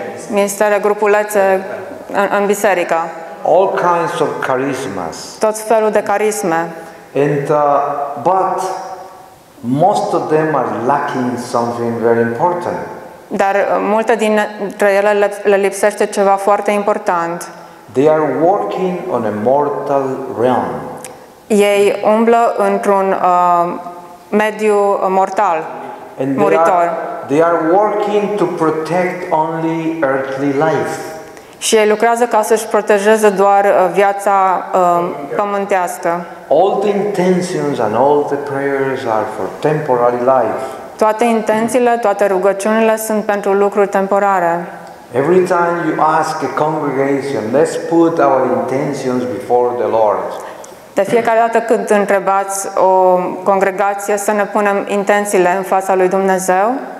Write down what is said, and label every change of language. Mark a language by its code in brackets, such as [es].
[ro] Ministere, grupulețe în biserică. [en] All kinds of charismas. [ro] Tot felul de carisme. [en] And but most of them are lacking something very important. [ro] Dar multe dintre ele le lipsește ceva foarte important. [en] They are working on a mortal realm. [ro] Ei umblă într-un mediu mortal, [en] and [ro] muritor. [en] They are working to protect only earthly life. [ro] Și ei lucrează ca să-și protejeze doar viața pământească. [en] All the intentions and all the prayers are for temporary life. [ro] Toate intențiile, toate rugăciunile sunt pentru lucruri temporare. [en] Every time you ask a congregation, let's put our intentions before the Lord. [ro] De fiecare dată când întrebați o congregație să ne punem intențiile în fața lui Dumnezeu,